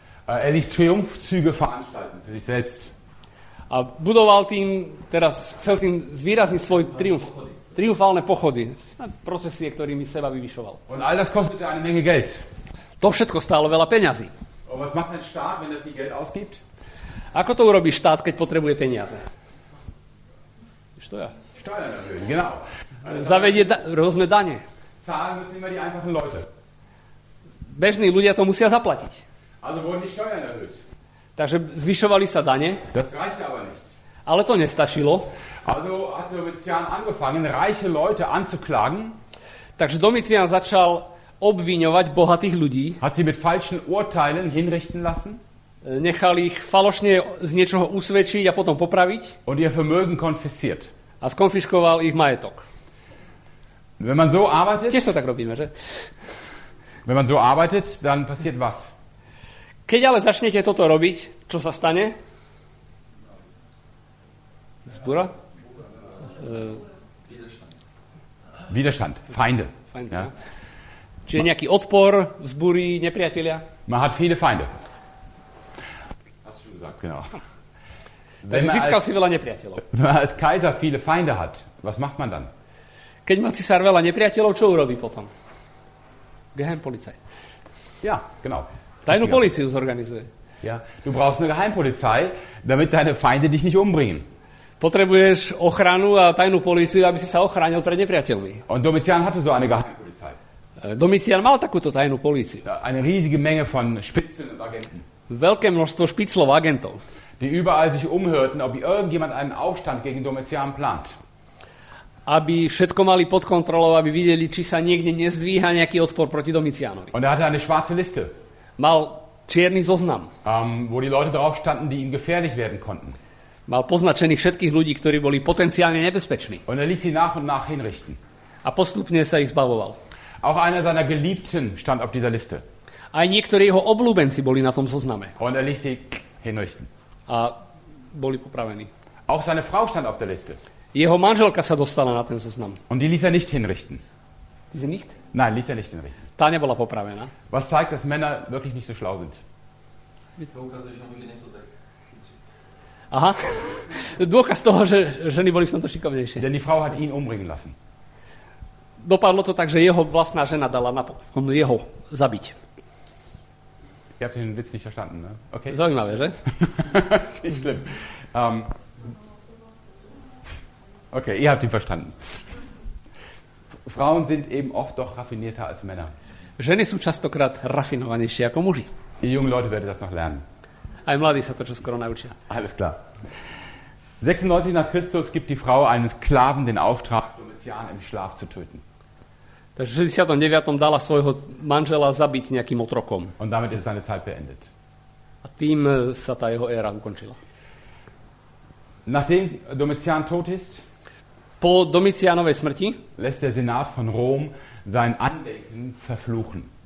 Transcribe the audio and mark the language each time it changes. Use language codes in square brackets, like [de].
[de] Er ließ Triumphzüge veranstalten für sich selbst. [sk] A budoval tým, teraz chcel tým zvýrazniť svoj triumf. Triumfálne pochody. Procesie, ktorými seba vyvyšoval. [de] Und all das kostete eine Menge Geld. [sk] To všetko stálo veľa peňazí. [de] Und was macht ein Staat, wenn er viel Geld ausgibt? [sk] Ako to urobí štát, keď potrebuje peniaze? [de] Steuer. Steuern erhöhen, genau. [sk] Zavedie rôzne dane. [de] Zahlen müssen immer die einfachen Leute. [sk] Bežní ľudia to musia zaplatiť. [de] Also wurden die Steuern erhöht. [sk] Takže zvyšovali sa dane. [de] Das reichte aber nicht. [sk] Ale to nestačilo. [de] Also hat Domitian angefangen, reiche Leute anzuklagen. [sk] Takže Domitian začal obviňovať bohatých ľudí. [de] Hat sie mit falschen Urteilen hinrichten lassen. [sk] Nechal ich falošne z niečoho usvedčiť a potom popraviť. [de] Und ihr Vermögen konfisziert. [sk] A skonfiškoval ich majetok. [de] Wenn man so arbeitet, [sk] tiež to tak robíme, že? [de] Wenn man so arbeitet, dann passiert was? [sk] Keď ale začnete toto robiť, čo sa stane? Zbúra? [de] Widerstand. Feinde. Feinde. Ja. [sk] Čiže nejaký odpor, vzbúri, nepriatelia? [de] Man hat viele Feinde. Genau. Wenn man [sk] získal si veľa nepriateľov. [de] Wenn man als Kaiser viele Feinde hat, was macht man dann? [sk] Keď má cisár veľa nepriateľov, čo urobí potom? [de] Geheimpolizei. Ja, genau. [sk] Tajnú políciu zorganizuje. [de] Ja, du brauchst eine Geheimpolizei, damit deine Feinde dich nicht umbringen. [sk] Potrebuješ ochranu a tajnú políciu, aby si sa ochránil pred nepriateľmi. [de] Und Domitian hatte so eine Geheimpolizei. [sk] Domitian mal takúto tajnú políciu. [de] Eine riesige Menge von Spitzeln und Agenten. [sk] Veľké množstvo špiclov agentov. [de] Die überall sich umhörten, ob irgendjemand einen Aufstand gegen Domitian plant. [sk] Aby všetko mali pod kontrolou, aby videli, či sa niekde nezdvíha nejaký odpor proti Domitianovi. [de] Und er hatte eine schwarze Liste. [sk] Mal čierny zoznam. [de] Wo die Leute drauf standen, die ihm gefährlich werden konnten. [sk] Mal poznačených všetkých ľudí, ktorí boli potenciálne nebezpeční. [de] Und er ließ sie nach und nach hinrichten. [sk] A postupne sa ich zbavoval. [de] Auch einer seiner Geliebten stand auf dieser Liste. [sk] Aj niektorí jeho obľúbenci boli na tom zozname. [de] Und er ließ sie hinrichten. [sk] A boli popravení. [de] Auch seine Frau stand auf der Liste. [sk] Jeho manželka sa dostala na ten zoznam. [de] Und die ließ er nicht hinrichten. Diese nicht? Nein, ließ er nicht hinrichten. [sk] Tá nebola popravená. [de] Was zeigt, dass Männer wirklich nicht so schlau sind. Aha. [sk] Dôkaz toho, že ženy boli v tomto šikovnejšie. [de] Denn die Frau hat ihn umbringen lassen. [sk] Dopadlo to tak, že jeho vlastná žena dala na jeho zabiť. [de] Ich habe den Witz nicht verstanden, ne? Okay. Sagen wir, ne? Nicht schlimm. Okay, ihr habt ihn verstanden. Frauen sind eben oft doch raffinierter als Männer. [sk] Ženy sú častokrát rafinovanejšie ako muži. [de] Die jungen Leute werden das noch lernen. [sk] Aj mladí sa to čo skoro naučia. [de] Alles klar. 96 nach Christus gibt die Frau eines Sklaven den Auftrag, Domitian im Schlaf zu töten. [sk] Takže v 69. dala svojho manžela zabiť nejakým otrokom. [de] Und damit ist seine Zeit beendet. [sk] A tým sa tá jeho éra ukončila. [de] Nachdem Domitian tot ist, [sk] po Domitianovej smrti, [de] lässt der Senat von Rom sein Andenken verfluchen.